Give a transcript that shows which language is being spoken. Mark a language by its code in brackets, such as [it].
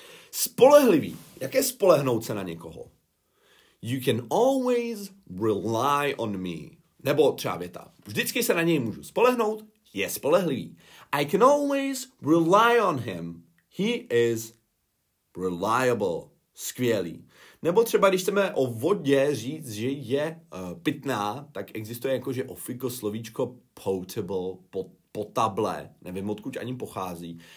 [cs] Spolehlivý. Jak je spolehnout se na někoho? [en] You can always rely on me. [cs] Nebo třeba věta. Vždycky se na něj můžu spolehnout. Je spolehlivý. [en] I can always rely on him. He is reliable. [cs] Skvělý. Nebo třeba, když chceme o vodě říct, že je pitná, tak existuje jakože ofiko slovíčko potable, potable, nevím, odkud ani pochází.